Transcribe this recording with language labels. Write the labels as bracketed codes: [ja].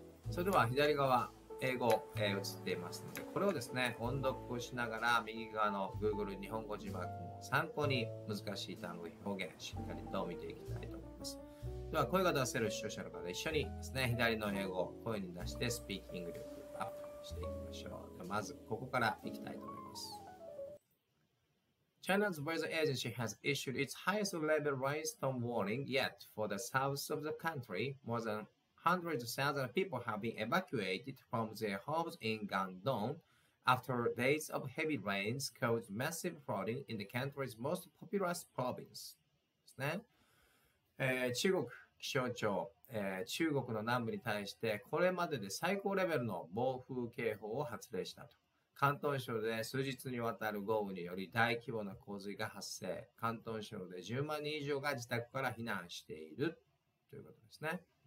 [ja] それでは左側英語、映っていますので、これをですね音読をしながら、右側の Google 日本語字幕も参考に、難しい単語表現しっかりと見ていきたいと思います。では声が出せる視聴者の方、一緒にですね左の英語を声に出してスピーキング力していきましょう。でまずここからいきたいと思います。 [en] China's weather agency has issued its highest level rainstorm warning yet for the south of the country. More than 100,000 people have been evacuated from their homes in Guangdong after days of heavy rains caused massive flooding in the country's most populous province. [ja] ですね。中国気象庁、中国の南部に対してこれまでで最高レベルの暴風警報を発令したと。広東省で数日にわたる豪雨により大規模な洪水が発生、広東省で10万人以上が自宅から避難しているということですね。